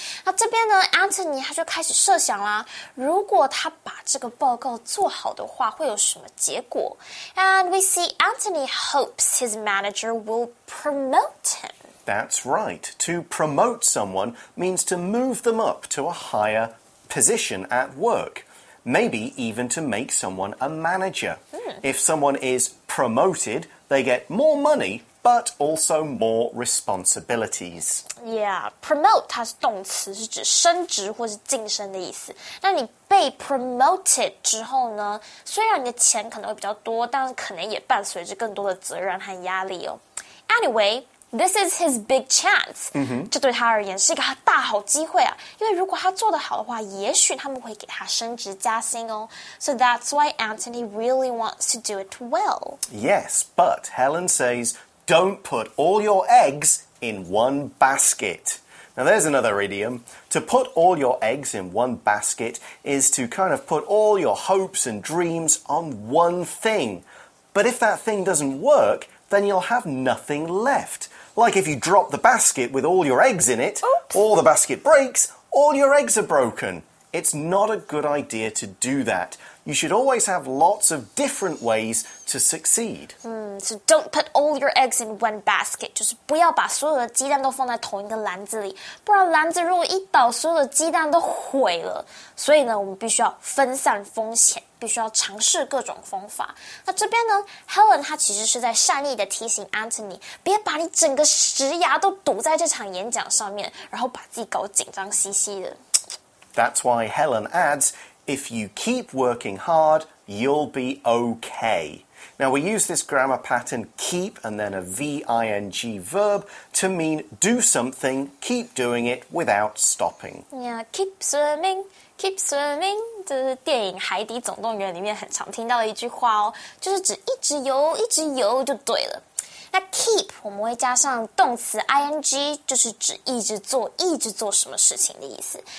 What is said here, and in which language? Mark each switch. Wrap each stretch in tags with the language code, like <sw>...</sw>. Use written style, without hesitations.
<zh>那这边呢， Anthony 他就开始设想啦，如果他把这个报告做好的话会有什么结果。</zh> <en>And we see Anthony hopes his manager will promote him. That's right. To promote someone means to move them up to a higher position at work. Maybe even to make someone a manager. If someone is promoted,They get more money, but also more responsibilities.</en> <zh>Yeah, promote 它是动词，是指升职或是晋升的意思。那你被 promoted 之后呢？虽然你的钱可能会比较多，但可能也伴随着更多的责任和压力哦。</zh> <en>Anyway, this is his big chance.</en> <zh>这对他而言是一个大好机会啊！因为如果他做得好的话，也许他们会给他升职加薪哦。</zh> <en>So that's why Anthony really wants to do it well. Yes, but Helen says, don't put all your eggs in one basket. Now there's another idiom. To put all your eggs in one basket is to kind of put all your hopes and dreams on one thing. But if that thing doesn't work,then you'll have nothing left. Like if you drop the basket with all your eggs in it, or the basket breaks, all your eggs are broken. It's not a good idea to do that. You should always have lots of different ways to succeed. So don't put all your eggs in one basket.</en> <zh>就是不要把所有的鸡蛋都放在同一个篮子里，不然篮子如果一倒，所有的鸡蛋都毁了。所以呢，我们必须要分散风险。必须要尝试各种方法。那这边呢， Helen 她其实是在善意的提醒 Anthony， 别把你整个职涯都赌在这场演讲上面，然后把自己搞紧张兮兮的。</zh> <en>That's why Helen adds, If you keep working hard, you'll be okay. Now, we use this grammar pattern, keep, and then a V-I-N-G verb, to mean do something, keep doing it without stopping. Yeah, keep swimming, keep swimming.</en> <zh>就是电影《海底总动员》里面很常听到的一句话哦，就是指一直游，一直游就对了。那 keep 我们会加上动词 ing， 就是指一直做，一直做什么事情的意思。</zh>